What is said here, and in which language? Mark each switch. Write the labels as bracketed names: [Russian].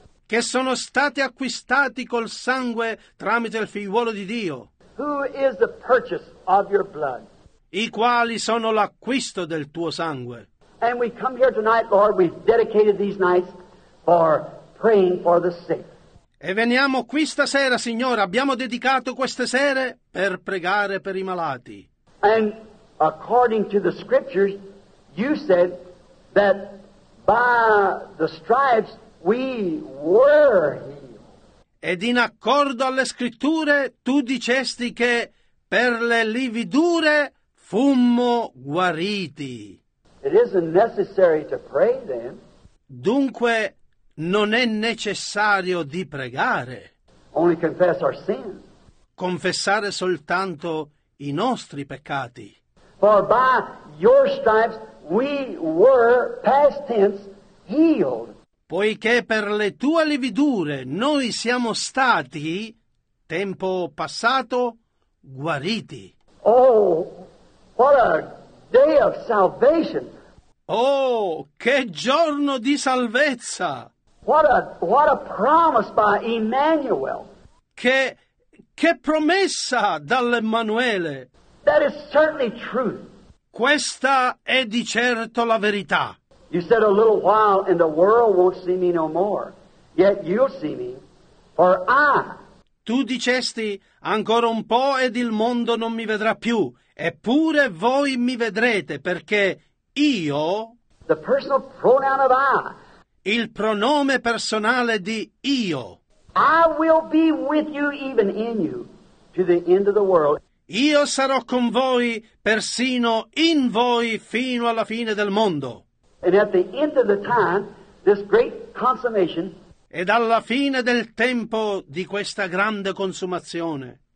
[Italian] Che sono stati acquistati col sangue tramite il figliuolo di Dio. [English] Who is the purchase of your blood? [Italian] I quali sono l'acquisto del tuo sangue. [English] And we come here tonight, Lord, we've dedicated these nights for praying for the sick. [Italian] E veniamo qui stasera, Signore, abbiamo dedicato queste sere per pregare per i malati. [English] And according to the scriptures, you said that by the stripes we were healed. [Italian] Ed in accordo alle scritture, tu dicesti che per le lividure fummo guariti. [English] It isn't necessary to pray then. [Italian] Dunque, non è necessario di pregare. [English] Only confess our sins. [Italian] Confessare soltanto i nostri peccati. [English] For by your stripes we were, past tense, healed. [Italian] Poiché per le tue lividure noi siamo stati, tempo passato, guariti. [English] Oh, what a day of salvation. [Italian] Oh, che giorno di salvezza. [English] What a promise by Emmanuel. [Italian] Che promessa dall'Emmanuele. [English] That is certainly truth. [Italian] Questa è di certo la verità. [English] You said a little while and the world won't see me no more. Yet you'll see me, for I. [Italian] Tu dicesti, ancora un po' ed il mondo non mi vedrà più. Eppure voi mi vedrete, perché io. [English] The personal pronoun of I. [Italian] Il pronome personale di io. [English] I will be with you, even in you, to the end of the world. [Italian] Io sarò con voi, persino in voi, fino alla fine del mondo. [English] And at the end of the time, this great consummation. [Italian] Ed alla fine del tempo di questa grande consumazione.